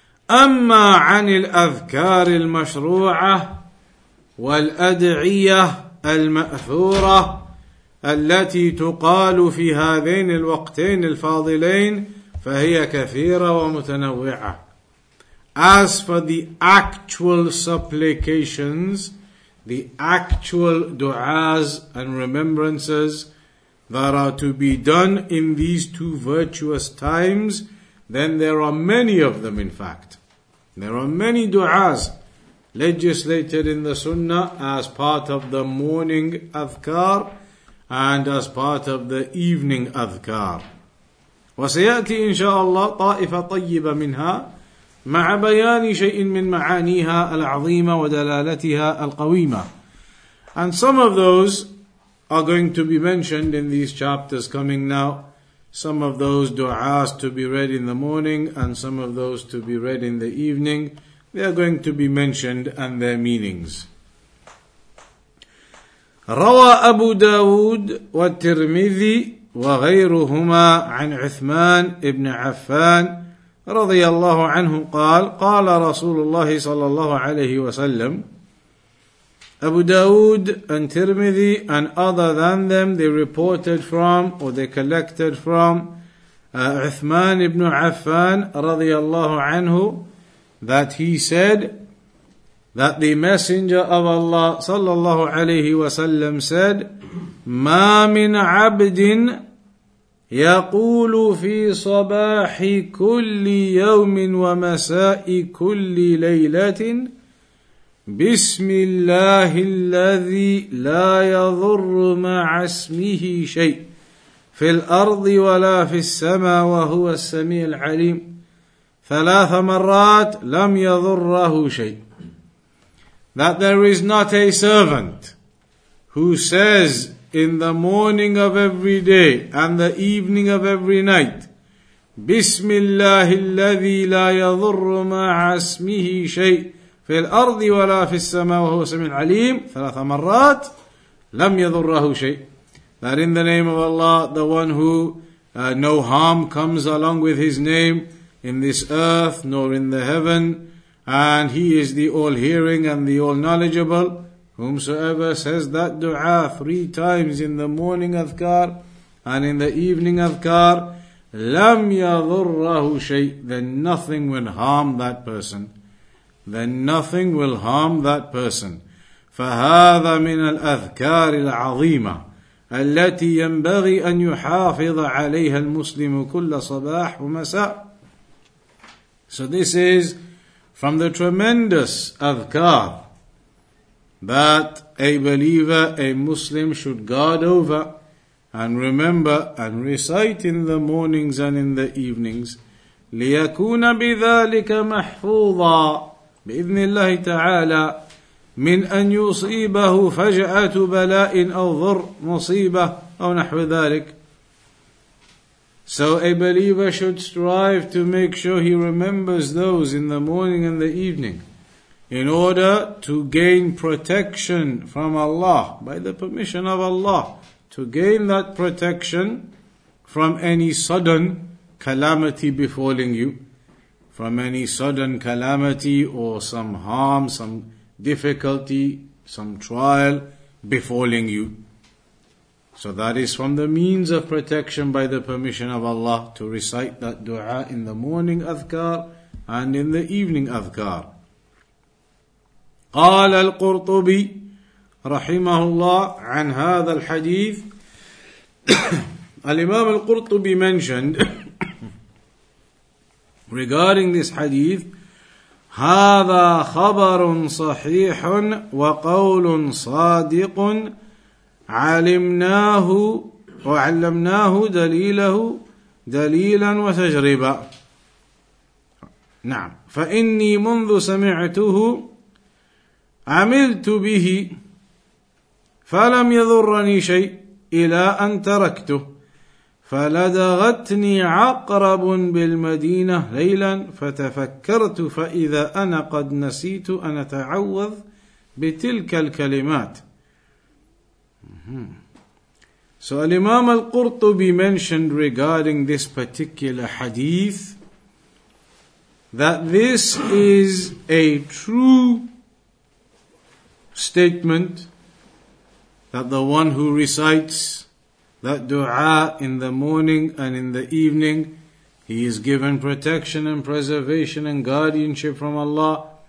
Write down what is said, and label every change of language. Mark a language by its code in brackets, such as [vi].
[ar] أما عن الأذكار المشروعة والأدعية المأثورة التي تقال في هذين الوقتين الفاضلين فهي كثيرة ومتنوعة. [en] As for the actual supplications, the actual du'as and remembrances that are to be done in these two virtuous times, then there are many of them in fact. There are many du'as legislated in the sunnah as part of the morning adhkar and as part of the evening adhkar. [ar] وسيأتي إن شاء الله طائفة طيبة منها مع بيان شيء من معانيها العظيمة ودلالتها القويمة. [en] And some of those are going to be mentioned in these chapters coming now. Some of those du'as to be read in the morning and some of those to be read in the evening. They are going to be mentioned and their meanings. [ar] روى أبو داود والترمذي وغيرهما عن عثمان بن عفان رضي الله عنه قال قال رسول الله صلى الله عليه وسلم. [en] Abu Dawood and Tirmidhi and other than them, they reported from or they collected from Uthman ibn Affan radiyallahu anhu that he said that the Messenger of Allah sallallahu alayhi wa sallam said, [ar] مَا مِنْ عَبْدٍ يَقُولُ فِي صَبَاحِ كُلِّ يَوْمٍ وَمَسَاءِ كُلِّ لَيْلَةٍ بسم الله الذي لا يضر مع اسمه شيء في الأرض ولا في السماء وهو السميع العليم ثلاث مرات لم يضره شيء. [en] That there is not a servant who says in the morning of every day and the evening of every night, [ar] بسم الله الذي لا يضر مع اسمه شيء في الأرض ولا في السماء وهو سميع عليم ثلاث مرات لم يضره شيء. [en] That in the name of Allah, the one who no harm comes along with his name in this earth nor in the heaven, and he is the all-hearing and the all-knowledgeable, whomsoever says that dua three times in the morning adhkar and in the evening adhkar, [ar] لم يضره شيء, [en] then nothing will harm that person. Then nothing will harm that person. [ar] فَهَذَا مِنَ الْأَذْكَارِ الْعَظِيمَةِ الَّتِي يَنْبَغِي أَنْ يُحَافِظَ عَلَيْهَا الْمُسْلِمُ كُلَّ صَبَاحٍ وَمَسَاءٍ. [en] So this is from the tremendous adhkar that a believer, a Muslim, should guard over and remember and recite in the mornings and in the evenings. [ar] لِيَكُونَ بِذَلِكَ مَحْفُوظًا بإذن الله تعالى من أن يصيبه فجأة بلاء أو ضر مصيبة أو نحو ذلك. [en] So a believer should strive to make sure he remembers those in the morning and the evening in order to gain protection from Allah, by the permission of Allah, to gain that protection from any sudden calamity befalling you, from any sudden calamity or some harm, some difficulty, some trial befalling you. So that is from the means of protection by the permission of Allah to recite that dua in the morning adhkar and in the evening adhkar. [ar] قال القرطبي رحمه الله عن هذا الحديث. الإمام القرطبي [en] mentioned regarding this hadith, [ar] هذا خبر صحيح وقول صادق علمناه وعلمناه دليله دليلا وتجربة. نعم. فإني منذ سمعته عملت به فلم يضرني شيء إلى أن تركته فلدغتني عقرب بالمدينة ليلا فتفكرت فإذا أنا قد نسيت أن أتعوذ بتلك الكلمات. [en] So Imam Al-Qurtubi mentioned regarding this particular hadith that this is a true statement, that the one who recites that dua in the morning and in the evening, he is given protection and preservation and guardianship from Allah.